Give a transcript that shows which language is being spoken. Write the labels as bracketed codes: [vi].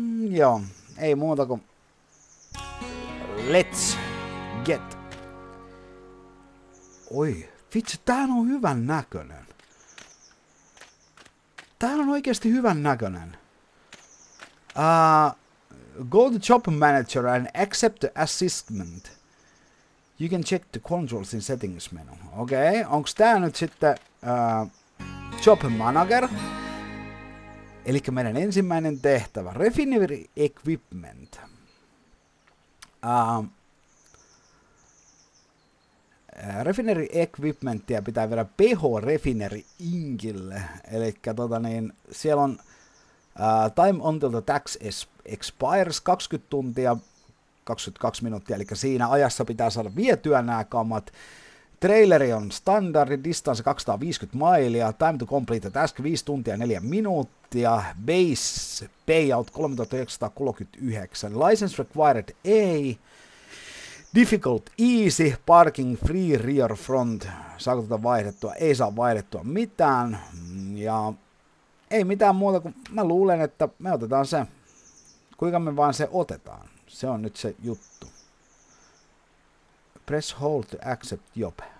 [fi] Joo, ei muuta kuin let's get. Oi, vitsi, tää on hyvän näkönen. Tää on oikeesti hyvän näkönen. [en] Go to job manager and accept the assistant. You can check the controls in settings menu. [fi] Okei, onks tää nyt sitten job manager? Eli meidän ensimmäinen tehtävä, refinery equipment. Refinery equipmentia pitää vielä PH refinery inkille. Eli siellä on time until the tax expires 20 tuntia 22 minuuttia, eli siinä ajassa pitää saada vietyä nämä kamat. Traileri on standardi, distance 250 mailia, time to complete the task 5 tuntia 4 minuuttia, base payout 3939, license required A, difficult easy, parking free rear front, saako tätä vaihdettua, ei saa vaihdettua mitään, ja ei mitään muuta kuin mä luulen, että me otetaan se, kuinka me vaan se otetaan, se on nyt se juttu. [en] Press hold to accept job.